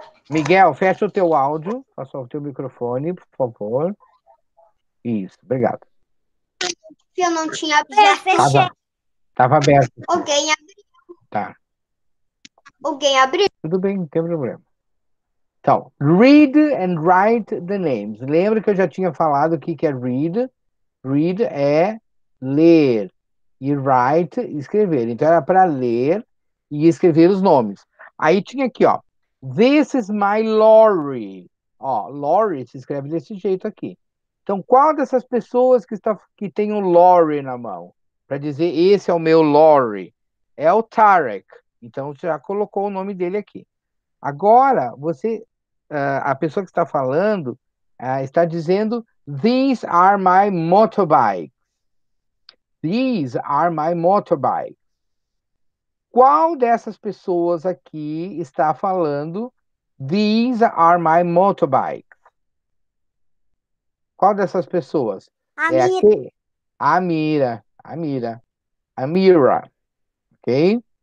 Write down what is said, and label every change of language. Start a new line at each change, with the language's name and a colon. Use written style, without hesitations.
Portuguese: Miguel, fecha o teu áudio. Passa o teu microfone, por favor. Isso, obrigado. Eu não tinha aberto. Tava aberto. Alguém abriu. Tá. Alguém abriu. Tudo bem, não tem problema.
English: Então, read and write the names.
Portuguese: Lembra que eu já tinha falado o que é read? Read é ler. E write, escrever. Então, era para ler e escrever os nomes. Aí tinha aqui, ó.
English: This is my lorry.
Portuguese: Ó, lorry se escreve desse jeito aqui. Então, qual dessas pessoas que tem um lorry na mão? Para dizer, esse é o meu lorry. É o Tarek. Então, você já colocou o nome dele aqui. Agora, você, a pessoa que está falando, está dizendo,
English: these are my motorbikes. These are my motorbikes.
Portuguese: Qual dessas pessoas aqui está falando,
English: these are my motorbikes?
Portuguese: Qual dessas pessoas? Amira. É Amira. Amira. Amira. Ok?